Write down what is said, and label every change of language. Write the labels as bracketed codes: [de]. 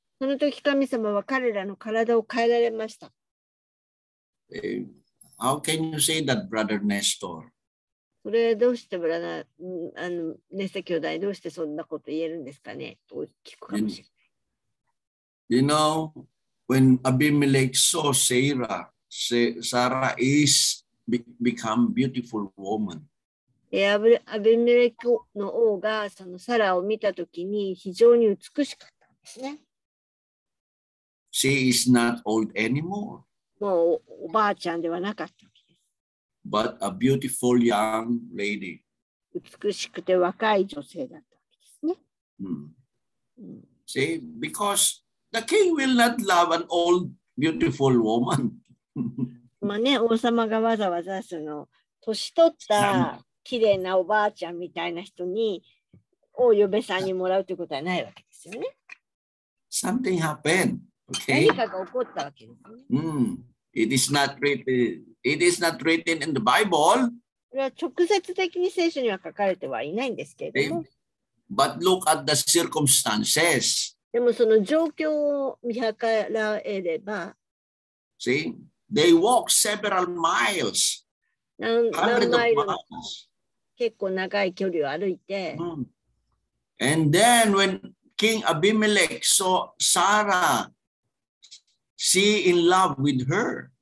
[ja] そのとき神様は彼らの体を変えられました。 [en] How can you say that, Brother Nestor? [ja] それはどうして、ネスタ兄弟、どうしてそんなこと言えるんですかねと聞くかもしれない。 [en] You know, when Abimelech saw Sarah, Sarah is become beautiful woman. [ja] アベメレクの王がそのサラを見たときに非常に美しかったんですね。 [en] She is not old anymore. [ja] もうおばあちゃんではなかったわけです。 [en] But a beautiful young lady. [ja] 美しくて若い女性だったわけですね。 [en] See, because the king will not love an old, beautiful woman. [ja] まあね、王様がわざわざその年取った綺麗なおばあちゃんみたいな人にお嫁さんにもらうということはないわけですよね。 [en] Something happened. Okay. [ja] 何かが起こったわけですね。 [en] It is not written in the Bible. [ja] これは直接的に聖書には書かれてはいないんですけれども。 [en] But look at the circumstances. [ja] でもその状況を見計らえれば。 [en] See, they walk several miles. [ja] 何マイル結構長い距離を歩いて。 [en] And then when King Abimelech saw Sarah, she in love with her.